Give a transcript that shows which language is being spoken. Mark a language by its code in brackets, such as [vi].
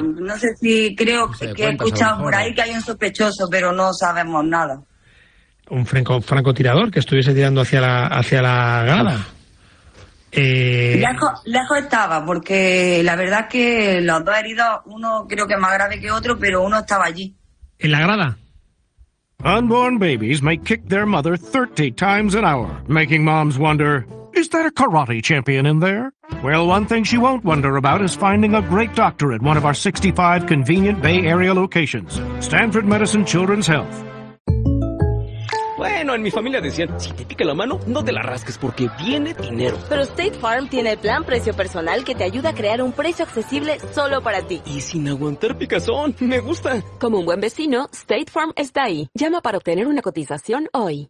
[es] No sé si creo no que cuenta, he escuchado por ahí que hay un sospechoso, pero no sabemos nada. ¿Un francotirador que estuviese tirando hacia la grada? Lejos estaba, porque la verdad es que los dos heridos, uno creo que más grave que otro, pero uno estaba allí. ¿En la grada? [en] Unborn babies may kick their mother 30 times an hour, making moms wonder, is there a karate champion in there? Well, one thing she won't wonder about is finding a great doctor at one of our 65 convenient Bay Area locations. Stanford Medicine Children's Health. [es] Bueno, en mi familia decían, si te pica la mano, no te la rasques porque viene dinero. Pero State Farm tiene el plan precio personal que te ayuda a crear un precio accesible solo para ti. Y sin aguantar picazón, me gusta. Como un buen vecino, State Farm está ahí. Llama para obtener una cotización hoy.